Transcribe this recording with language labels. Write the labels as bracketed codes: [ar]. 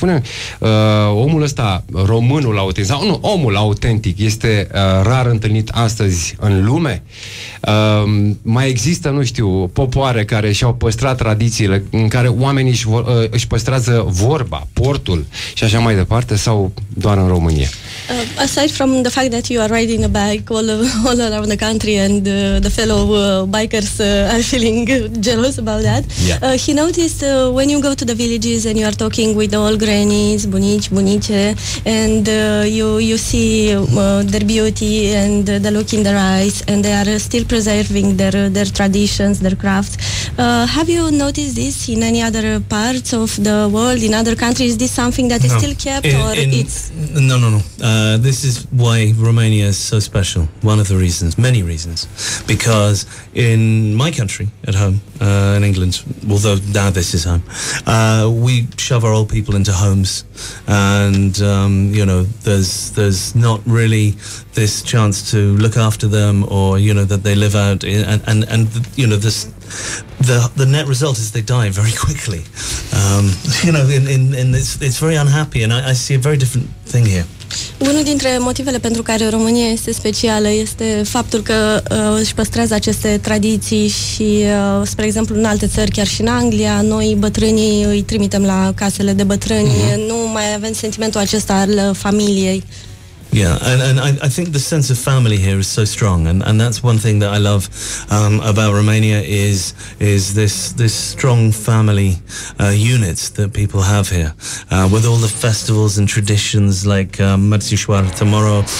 [ro] Spune-mi, omul ăsta, românul autentic, sau nu, omul autentic, este rar întâlnit astăzi în lume? Mai există, nu știu, popoare care și-au păstrat tradițiile, în care oamenii își păstrează vorba, portul și așa mai departe, sau doar în România? [en] Aside from the fact that you are riding a bike all around the country and the fellow bikers are feeling jealous about that, he noticed when you go to the villages and you are talking with all grannies, [ro] bunici, bunice, [en] and you see their beauty and the look in their eyes, and they are still preserving their traditions, their crafts. Have you noticed this in any other parts of the world, in other countries? Is this something that is still kept, No. This is why Romania is so special. One of the reasons, many reasons, because in my country, at home, in England, although now this is home, we shove our old people into homes, and you know, there's not really this chance to look after them, or you know, that they live out in, and you know, this the net result is they die very quickly, you know, in this, it's very unhappy, and I see a very different thing here. [ro] Unul dintre motivele pentru care România este specială este faptul că își păstrează aceste tradiții și, spre exemplu, în alte țări, chiar și în Anglia, noi bătrânii îi trimitem la casele de bătrâni, nu mai avem sentimentul acesta al familiei. [en] Yeah, and I think the sense of family here is so strong, and that's one thing that I love about Romania is this strong family unit that people have here, with all the festivals and traditions like Mărțișoara tomorrow.